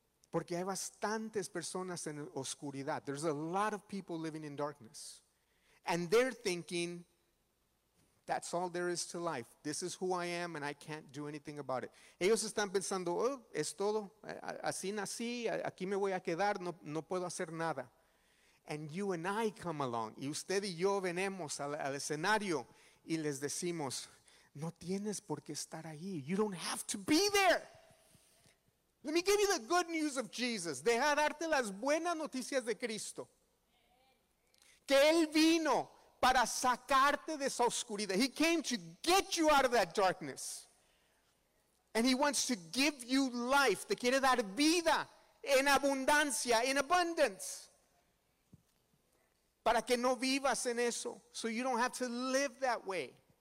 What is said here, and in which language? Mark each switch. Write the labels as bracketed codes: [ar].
[es] Porque hay bastantes personas en oscuridad. [en] There's a lot of people living in darkness. And they're thinking, that's all there is to life. This is who I am and I can't do anything about it. [es] Ellos están pensando, oh, es todo. Así nací, aquí me voy a quedar, no puedo hacer nada. [en] And you and I come along. [es] Y usted y yo venimos al escenario y les decimos, no tienes por qué estar ahí. [en] You don't have to be there. Let me give you the good news of Jesus. [es] Deja darte las buenas noticias de Cristo. Que Él vino para sacarte de esa oscuridad. [en] He came to get you out of that darkness. And He wants to give you life. [es] Te quiere dar vida en abundancia, [en] in abundance. [es] Para que no vivas en eso. [en] So you don't have to live that way.